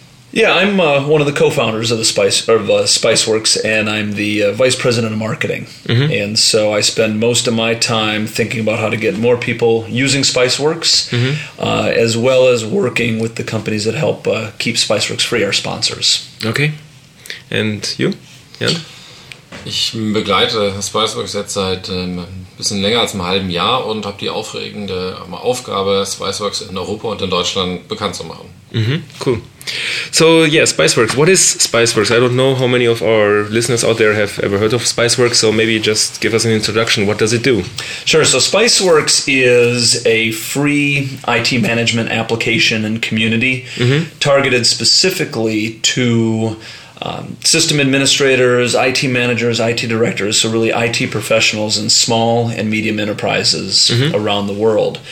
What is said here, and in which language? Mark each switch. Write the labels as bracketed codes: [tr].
[en] Yeah, I'm one of the co-founders of the Spiceworks, and I'm the vice president of marketing. Mm-hmm. And so I spend most of my time thinking about how to get more people using Spiceworks, as well as working with the companies that help keep Spiceworks free, our sponsors. Okay. And you, Jan? [de] Ich begleite Spiceworks jetzt seit ein bisschen länger als einem halben Jahr und habe die aufregende Aufgabe, Spiceworks in Europa und in Deutschland bekannt zu machen. [en] Mm-hmm. Cool. So, yeah, Spiceworks. What is Spiceworks? I don't know how many of our listeners out there have ever heard of Spiceworks, so maybe just give us an introduction. What does it do? Sure. So Spiceworks is a free IT management application and community targeted specifically to system administrators, IT managers, IT directors, so really IT professionals in small and medium enterprises around the world.